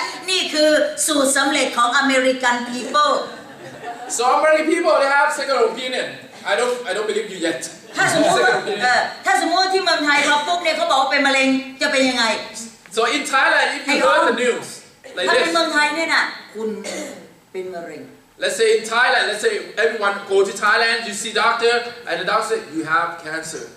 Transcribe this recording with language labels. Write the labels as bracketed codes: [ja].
[th] นี่คือสูตรสำเร็จของ [en] American people. So many people they have second opinion. I don't believe you yet. [th] ถ้าสมมติที่เมืองไทยพอปุ๊บเนี่ยเขาบอกว่าเป็นมะเร็งจะเป็นยังไง [en] So in Thailand, if you heard the news like this. [th] ถ้าเป็นเมืองไทยเนี่ยน่ะคุณเป็นมะเร็ง [en] Let's say in Thailand, let's say everyone go to Thailand, you see doctor, and the doctor said, you have cancer.